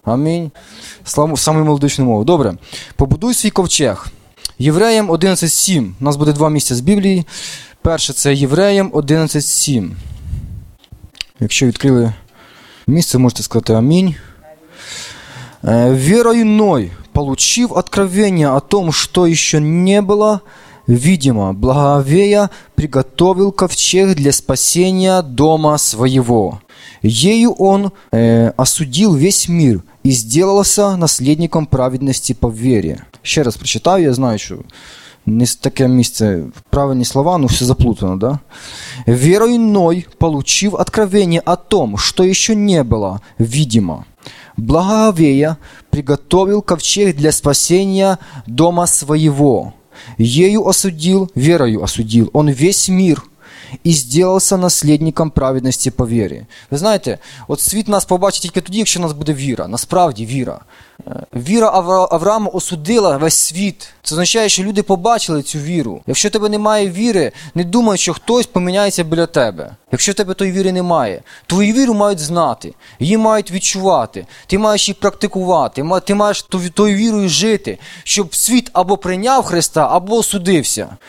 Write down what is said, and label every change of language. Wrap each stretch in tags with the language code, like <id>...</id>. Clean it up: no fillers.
<uk>Амінь. Саму мелодичну мову. Добре. «Побудуй свій ковчег». Євреям 11.7. У нас буде два місця з Біблії. Перше – це Євреям 11.7. Якщо відкрили... Місце, можете сказати «Амінь».</uk> <ru>«Верою Ной получив откровение о том, что еще не было видимо, благовея приготовил ковчег для спасения дома своего. Ею он осудил весь мир и сделался наследником праведности по вере».</ru> <uk>Ще раз прочитаю, я знаю, що... Не таке місце, правильні слова, ну все заплутано, да?</uk> <ru>«Верою Ной получив откровение о том, что еще не было видимо. Благовея приготовил ковчег для спасения дома своего. Ею осудил, верою осудил он весь мир и сделался наследником праведности по вере».</ru> <uk>Ви знаєте, от світ нас побачить тільки тоді, якщо у нас буде віра, насправді віра. Віра Авраама осудила весь світ. Це означає, що люди побачили цю віру. Якщо в тебе немає віри, не думай, що хтось поміняється біля тебе. Якщо в тебе тої віри немає, твою віру мають знати, її мають відчувати, ти маєш її практикувати, ти маєш тою вірою жити, щоб світ або прийняв Христа, або осудився.</uk>